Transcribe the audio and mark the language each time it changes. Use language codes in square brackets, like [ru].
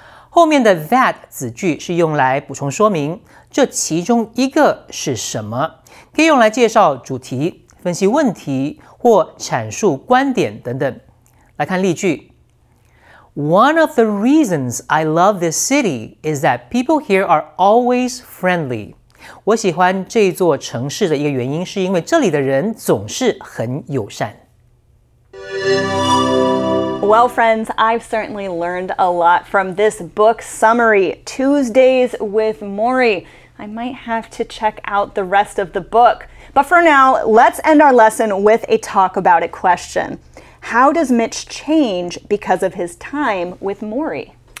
[zh] 后面的 that 子句是用来补充说明这其中一个是什么，可以用来介绍主题、分析问题或阐述观点等等。来看例句， [en] One of the reasons I love this city is that people here are always friendly. [zh] 我喜欢这座城市的一个原因是因为这里的人总是很友善。 [en] Well, friends, I've certainly learned a lot from this book summary, Tuesdays with Maury. I might have to check out the rest of the book. But for now, let's end our lesson with a talk about it question. How does Mitch change because of his time with Maury?